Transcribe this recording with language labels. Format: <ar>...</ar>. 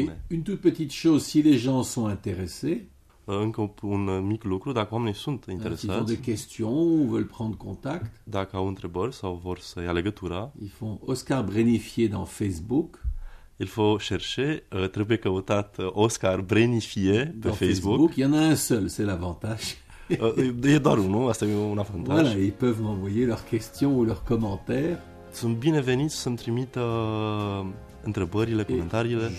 <fr>Et une toute petite chose, si les gens sont intéressés.</fr> <ro>Încă un mic lucru, dacă oamenii sunt interesați.</ro> <fr>S'ils ont des questions ou veulent prendre contact.</fr> <ro>Dacă au întrebări sau vor să ia legătura.</ro> <fr>Ils font Oscar Brenifier dans Facebook. Il faut chercher,</fr> <ro>trebuie căutat Oscar Brenifier pe</ro> <fr>Facebook. Il y en a un seul, c'est l'avantage.</fr> <ro>E doar unul, asta e un avantaj.</ro> <fr>Voilà, ils peuvent m'envoyer leurs questions ou leurs commentaires.</fr> <ro>Sunt bineveniți să-mi trimită întrebările, comentariile.</ro>